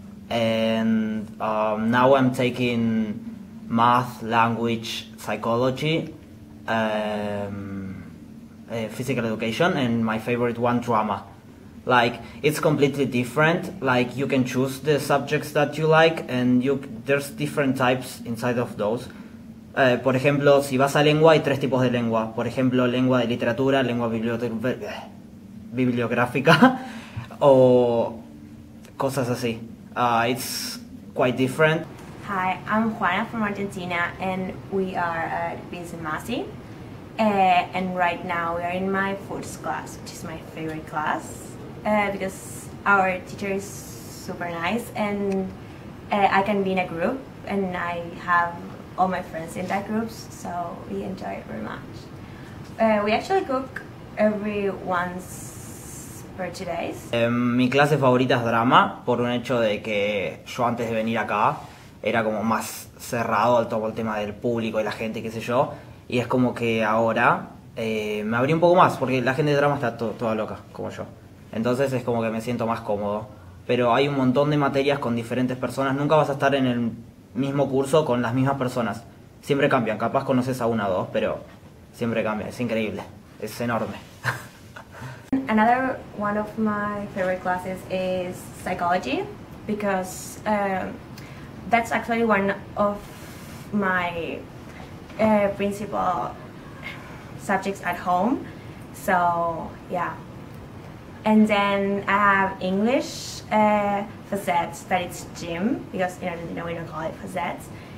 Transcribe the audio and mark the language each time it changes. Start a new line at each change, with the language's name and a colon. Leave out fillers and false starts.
English: And now I'm taking math, language, psychology, physical education, and my favorite one, drama. Like, it's completely different. Like, you can choose the subjects that you like, and there's different types inside of those.
Spanish: Por ejemplo, si vas a lengua, hay tres tipos de lengua. Por ejemplo, lengua de literatura, lengua bibliográfica, o cosas así.
English: It's quite different. Hi, I'm Juana from Argentina, and we are at Vincent, Massey. And right now, we are in my foods class, which is my favorite class. Because our teacher is super nice, and I can be in a group, and I have all my friends in that group, so we enjoy it very much. We actually cook every once per 2 days.
Spanish: Mi clase favorita es drama, por un hecho de que yo antes de venir acá era como más cerrado al todo el tema del público y la gente, qué sé yo, y es como que ahora me abrí un poco más, porque la gente de drama está toda loca, como yo. Entonces es como que me siento más cómodo. Pero hay un montón de materias con diferentes personas. Nunca vas a estar en el mismo curso con las mismas personas. Siempre cambian. Capaz conoces a una o dos, pero siempre cambia. Es increíble. Es enorme.
English: Another one of my favorite classes is psychology, because that's actually one of my principal subjects at home. So, yeah. And then I have English facets, that it's gym, because in Argentina we don't call it facets.